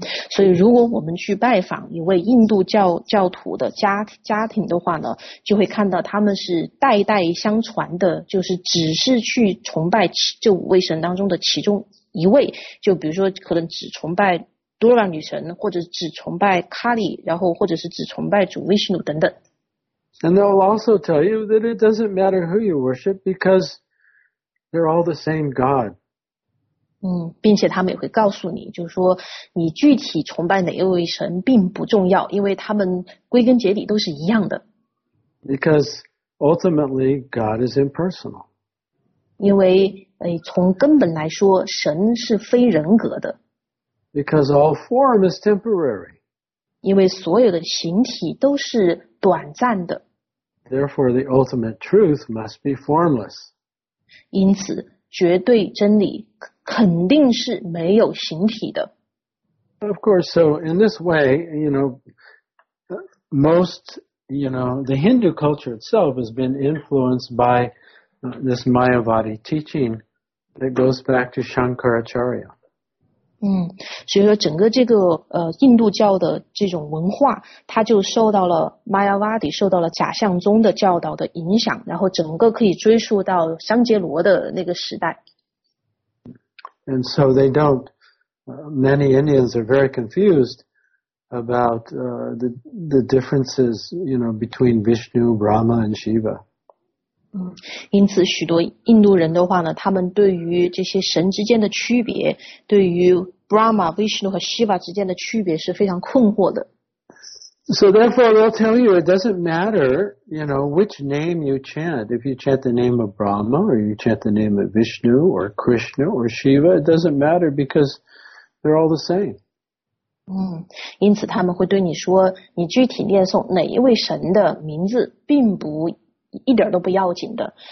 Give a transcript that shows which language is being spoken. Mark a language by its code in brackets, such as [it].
[zh] 所以如果我们去拜访一位印度教徒的家庭的话呢，就会看到他们是代代相传的，就是只是去崇拜这五位神当中的其中一位，就比如说可能只崇拜 Durga 女神，或者只崇拜 Kali, 然后或者是只崇拜主 Vishnu 等等。 [en] And they'll also tell you that it doesn't matter who you worship because they're all the same God. [zh] 并且他们也会告诉你，就是说你具体崇拜哪一位神并不重要，因为他们归根结底都是一样的。 [en] Because ultimately God is impersonal. [zh] 因为从根本来说神是非人格的。 [en] Because all form is temporary. [zh] 因为所有的形体都是短暂的。 [en] Therefore the ultimate truth must be formless. [zh] 因此绝对真理肯定是没有形体的。 [en] Of course, so in this way, you know, most, you know, the Hindu culture itself has been influenced by this Mayavadi teaching that goes back to Shankaracharya. [zh] 所以说整个这个印度教的这种文化，它就受到了 Mayavadi, 受到了假象宗的教导的影响，然后整个可以追溯到香杰罗的那个时代。 [en] And so they don't, many Indians are very confused about the differences, you know, between Vishnu, Brahma, and Shiva. [zh] 因此许多印度人的话呢，他们对于这些神之间的区别，对于 Brahma, Vishnu, 和 Shiva 之间的区别是非常困惑的。 [en] So therefore, they'll tell you it doesn't matter, you know, which name you chant. If you chant the name of Brahma, or you chant the name of Vishnu, or Krishna, or Shiva, it doesn't matter because they're all the same. [zh] 因此他们会对你说，你具体念诵哪一位神的名字并不一点都不要紧的。